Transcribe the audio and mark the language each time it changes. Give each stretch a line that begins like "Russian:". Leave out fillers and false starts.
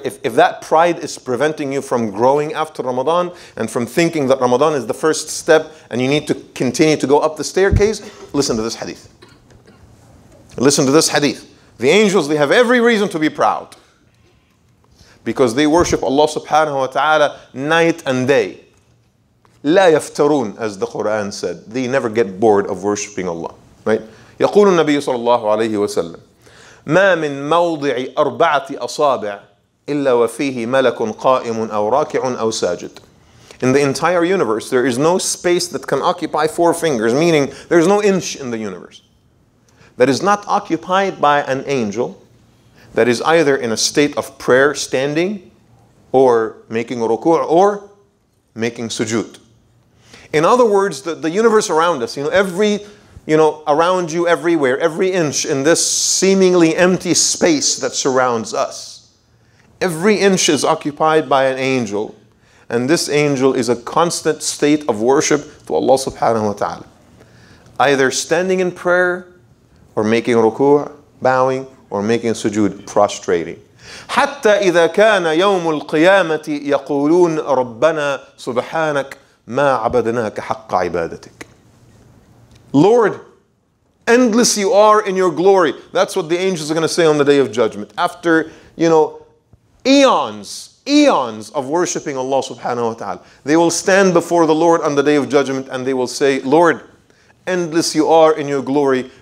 English: If that pride is preventing you from growing after Ramadan and from thinking that Ramadan is the first step and you need to continue to go up the staircase, listen to this hadith. Listen to this hadith. The angels, they have every reason to be proud because they worship Allah subhanahu wa ta'ala night and day.
Arabic: لا يفترون,
English: as the Quran said. They never get bored of worshiping Allah. Right?
Arabic: يقول النبي صلى الله عليه وسلم ما من موضع أربعة أصابع إلا وفيه ملك قائم أو راكع أو ساجد.
English: In the entire universe, there is no space that can occupy four fingers, meaning there is no inch in the universe that is not occupied by an angel that is either in a state of prayer, standing, or making ruku' or making sujood. In other words, the universe around us, you know, around you, everywhere, every inch in this seemingly empty space that surrounds us, every inch is occupied by an angel, and this angel is a constant state of worship to Allah subhanahu wa ta'ala. Either standing in prayer, or making ruku', bowing, or making sujood, prostrating.
Arabic: حتى إذا كان يوم القيامة يقولون ربنا سبحانك ما عبدناك حق عبادتك.
English: Lord, endless you are in your glory. That's what the angels are going to say on the day of judgment. After, you know, eons of worshiping Allah subhanahu wa ta'ala, they will stand before the Lord on the day of judgment and they will say, Lord, endless you are in your glory.